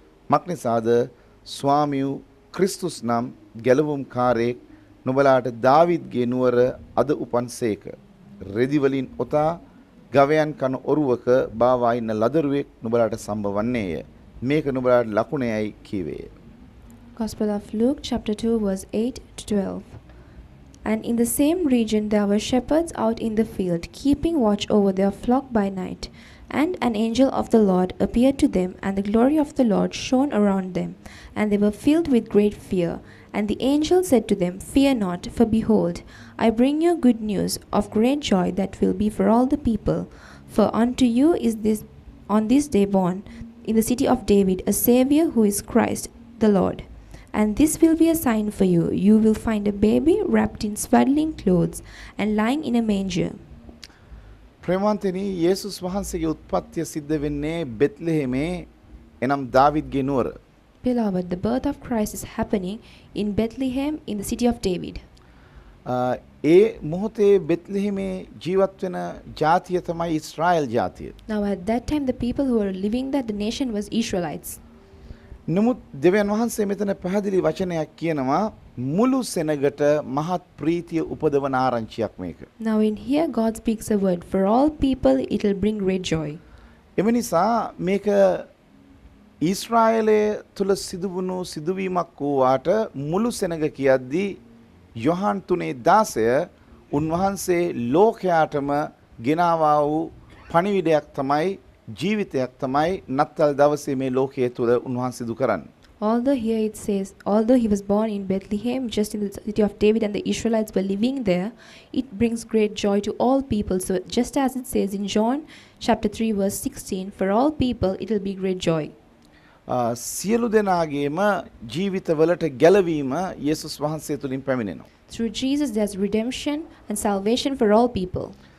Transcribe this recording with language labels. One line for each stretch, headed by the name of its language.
Sinhala: මක්නිසාද ස්වාමියු ක්‍රිස්තුස් නම් ගැලවුම් කාරයෙක් නුඹලාට දාවිද්ගේ නුවර අද උපන්සේක. රෙදි වලින් ඔතා ගවයන් කන ඔරුවක බාවා ඉන්න ලදරුවෙක් නුඹලාට සම්බවන්නේය මේක නුඹලාට ලකුණයයි කීවේය.
English: Gospel of Luke chapter 2 verse 8 to 12. And in the same region there were shepherds out in the field keeping watch over their flock by night and an angel of the Lord appeared to them and the glory of the Lord shone around them and they were filled with great fear. And the angel said to them, Fear not, for behold, I bring you good news of great joy that will be for all the people. For unto you is this on this day born in the city of David a Savior who is Christ the Lord. And this will be a sign for you. You will find a baby wrapped in swaddling clothes and lying in a manger.
Sinhala: ප්‍රේමවන්තනි යේසුස් වහන්සේගේ උත්පත්තිය සිද්ධ වෙන්නේ බෙත්ලෙහෙමේ එනම් දාවිද්ගේ නුවර.
English: Beloved, the birth of Christ is happening in Bethlehem in the city of David.
Sinhala: ඒ මොහොතේ බෙත්ලෙහෙමේ ජීවත් වෙන ජාතිය තමයි ඊශ්‍රායෙල් ජාතිය.
English: Now at that time the people who were living there the nation was Israelites.
Sinhala: නමුත් දෙවියන් වහන්සේ මෙතන පැහැදිලි වචනයක් කියනවා මුළු සෙනගට මහත් ප්‍රීතිය උපදවන ආරංචියක් මේක.
English: Now in here God speaks a word for all people it'll bring great joy.
Sinhala: එම නිසා මේක ඊස්රායලයේ තුල සිදුවුණු සිදුවීමක් වූ වාට මුළු සෙනඟ කියද්දී යොහන් 3:16 උන්වහන්සේ ලෝකයාටම ගෙනාවා වූ පණිවිඩයක් තමයි ජීවිතයක් තමයි නත්තල් දවසේ මේ ලෝකයේ තුල උන්වහන්සේ සිදු කරන්නේ.
English: Although here it says, although he was born in Bethlehem, just in the city of David, and the Israelites were living there, it brings great joy to all people. So just as it says in John chapter 3 verse 16, for all people it will be great joy.
Sinhala: සියලු දෙනාගේම ජීවිතවලට ගැලවීම යේසුස් වහන්සේ තුලින් පැමිණෙනවා.
English: Through Jesus there's redemption and salvation for all people.